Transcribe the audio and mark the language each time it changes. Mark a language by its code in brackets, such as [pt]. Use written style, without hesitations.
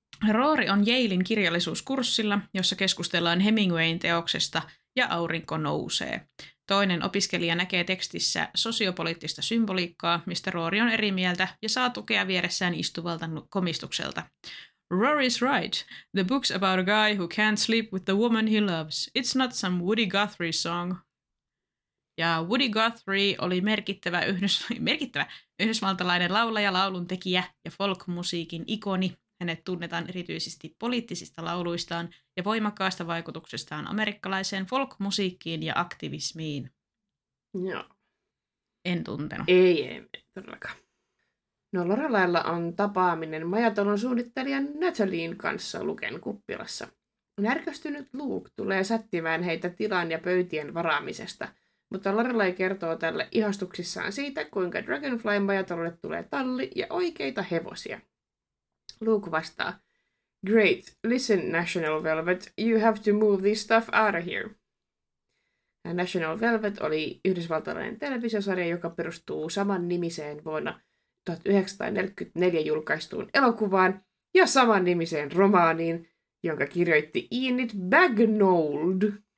[fi] Rory on Yalen kirjallisuuskurssilla, jossa keskustellaan Hemingwayn teoksesta ja aurinko nousee. Toinen opiskelija näkee tekstissä sosiopoliittista symboliikkaa, mistä Rory on eri mieltä ja saa tukea vieressään istuvalta komistukselta. [en] Rory's right. The book's about a guy who can't sleep with the woman he loves. It's not some Woody Guthrie song. [fi] Ja Woody Guthrie oli merkittävä yhdysvaltalainen laulaja, lauluntekijä ja folkmusiikin ikoni. Hänet tunnetaan erityisesti poliittisista lauluistaan ja voimakkaasta vaikutuksestaan amerikkalaiseen folkmusiikkiin ja aktivismiin. Joo. En tuntenut. Ei todellakaan. No Lorelailla on tapaaminen majatalon suunnittelijan Natalien kanssa Luken kuppilassa. Närkästynyt Luke tulee sättimään heitä tilan ja pöytien varaamisesta, mutta Lorelai kertoo tälle ihastuksissaan siitä, kuinka Dragonflyn majatalolle tulee talli ja oikeita hevosia. Luke vastaa, [en] great, listen National Velvet, you have to move this stuff out of here. [fi] Ja National Velvet oli yhdysvaltalainen televisiosarja, joka perustuu saman nimiseen vuonna 1944 julkaistuun elokuvaan ja saman nimiseen romaaniin, jonka kirjoitti Enid Bagnold.